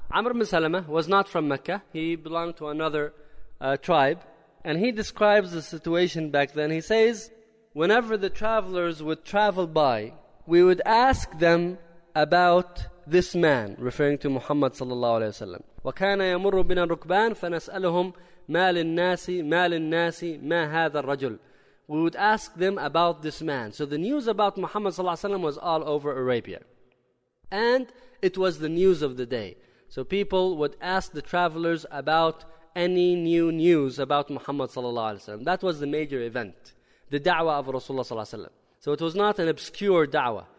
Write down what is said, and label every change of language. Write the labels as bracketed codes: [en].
[en] Amr bin Salama was not from Mecca. He belonged to another tribe. And he describes the situation back then. He says, whenever the travelers would travel by, we would ask them about this man, referring to Muhammad sallallahu alayhi wa sallam. [ar] وَكَانَ يَمُرُّ بِنَا الرُّكْبَانِ فَنَسْأَلُهُمْ مَا لِلنَّاسِ مَا لِلنَّاسِ مَا هَذَا الرَّجُلِ [en] We would ask them about this man. So the news about Muhammad sallallahu alayhi wa sallam was all over Arabia. And it was the news of the day. So people would ask the travelers about any new news about Muhammad sallallahu alayhi wa sallam. That was the major event. The da'wah of Rasulullah sallallahu alayhi wa sallam. So it was not an obscure da'wah.